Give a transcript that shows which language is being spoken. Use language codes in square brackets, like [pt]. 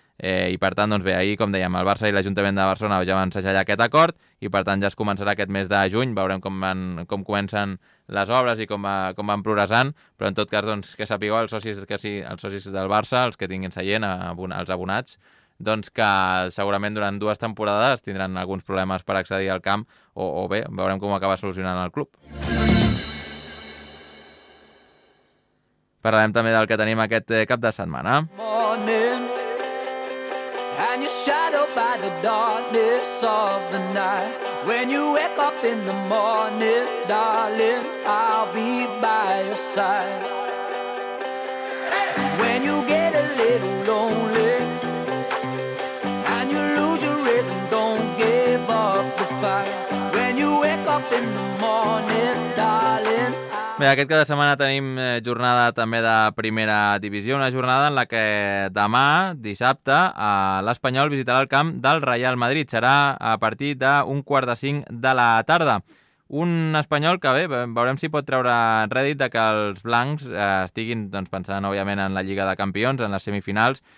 [ca] I per tant, doncs bé, ahir, com dèiem, el Barça i l'Ajuntament de Barcelona ja van segellar aquest acord, i per tant ja es començarà aquest mes de juny, veurem com comencen les obres i com van progressant, però en tot cas, doncs, que sapigueu els socis del Barça, els que tinguin seient, els abonats, doncs que segurament durant dues temporades tindran alguns problemes per accedir al camp, o bé, veurem com acaba solucionant el club. Parlem també del que tenim aquest cap de setmana. [en] Morning, and you're shadowed by the darkness of the night. When you wake up in the morning, darling, I'll be by your side. When you get a little lonely, and you lose your rhythm, don't give up the fight. When you wake up in the morning, darling. [ca] Bé, aquest cap de setmana tenim jornada també de primera divisió, una jornada en la que demà, dissabte, l'Espanyol visitarà el camp del Real Madrid. Serà a partir d'un quart de cinc de la tarda. Un Espanyol que, bé, veurem si pot treure rèdit de que els blancs estiguin doncs, pensant, òbviament, en la Lliga de Campions, en les semifinals.